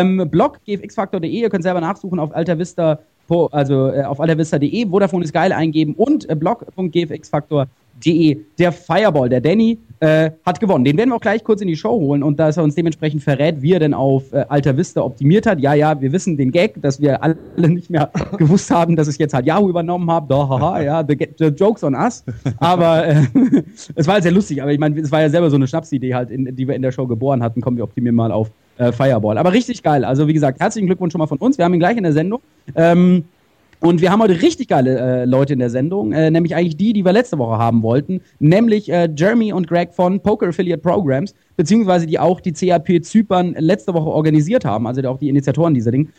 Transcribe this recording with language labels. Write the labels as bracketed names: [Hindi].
[German] Blog gfxfaktor.de, ihr könnt selber nachsuchen auf altavista.de, Vodafone ist geil eingeben und blog.gfxfaktor.de. Der Fireball, der Danny, hat gewonnen. Den werden wir auch gleich kurz in die Show holen und dass er uns dementsprechend verrät, wie er denn auf Altavista optimiert hat. Ja, wir wissen den Gag, dass wir alle nicht mehr gewusst haben, dass ich jetzt halt Yahoo übernommen habe. [English] Doch, haha, ja, the joke's on us. [German] Aber es war sehr lustig, aber ich meine, es war ja selber so eine Schnapsidee halt, die wir in der Show geboren hatten. Komm, wir optimieren mal auf Fireball. Aber richtig geil. Also wie gesagt, herzlichen Glückwunsch schon mal von uns. Wir haben ihn gleich in der Sendung. Und wir haben heute richtig geile Leute in der Sendung, nämlich eigentlich die wir letzte Woche haben wollten, nämlich Jeremy und Greg von Poker Affiliate Programs, beziehungsweise die auch die CAP Zypern letzte Woche organisiert haben, also auch die Initiatoren dieser Dinge.